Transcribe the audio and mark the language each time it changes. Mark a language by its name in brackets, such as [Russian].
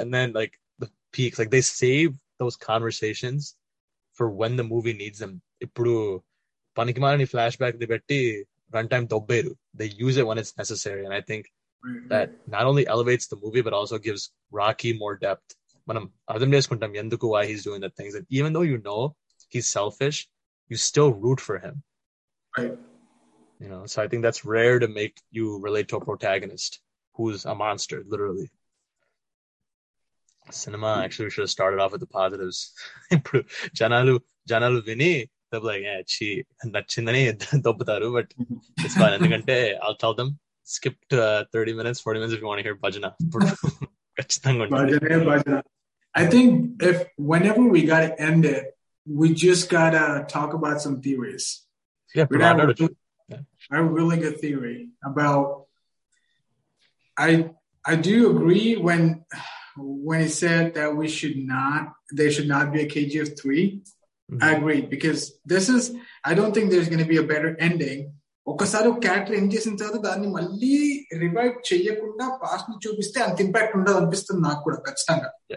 [English] And then, like, the peaks. Like, they save those conversations for when the movie needs them. [Telugu] Ippudu panikimani flashback di betti, runtime dobberu. [English] They use it when it's necessary. And I think that not only elevates the movie, but also gives Rocky more depth. [Telugu] మనం అర్థం చేసుకుంటాం ఎందుకు [English] Why he's doing the things. Even though you know he's selfish, you still root for him. You know, so I think that's rare to make you relate to a protagonist who is a monster literally. Cinema actually should have started off with the positives. [Telugu] ఇప్పుడు జనాలు విని [English] they'll be like, yeah, [Telugu] chi nachindani dobutaru, [English] but it's fine. Endukante I'll tell them, skip to 30 minutes, 40 minutes if you want to hear bhajana. I think if whenever we gotta end it, we just gotta talk about some theories. Yeah, I have a really good theory about. I do agree when he said that we should not, there should not be a KGF 3. Mm-hmm. I agree, because this is, I don't think there's going to be a better ending. [Telugu] ఒకసారి character ఏం చేసిన తర్వాత దాన్ని మళ్ళీ revive చేయకుండా past ని చూపిస్తే అంత ఇంపాక్ట్ ఉండదు అనిపిస్తుంది నాకు కూడా ఖచ్చితంగా.